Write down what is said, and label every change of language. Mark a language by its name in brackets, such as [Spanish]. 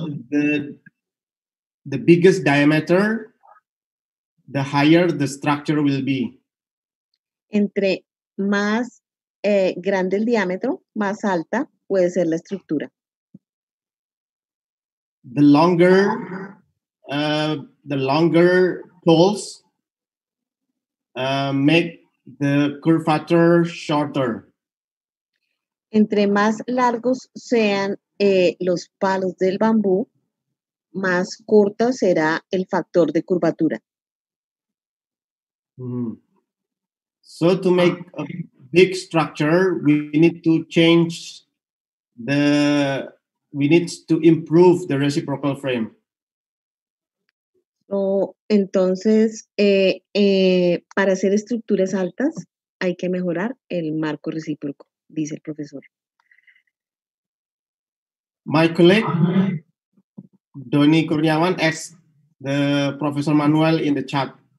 [English] The biggest diameter, the higher the structure will be. [Spanish] Entre más grande el diámetro, más alta puede ser la estructura. [English] The longer poles make the curve factor shorter. [Spanish] Entre más largos sean los palos del bambú, más corta será el factor de curvatura. [English] So to make a big structure, we need to improve the reciprocal frame. [Spanish] So, entonces, para hacer estructuras altas, hay que mejorar el marco recíproco, dice el profesor. [English] My colleague, Doni Kurniawan, asks the Professor Manuel in the chat.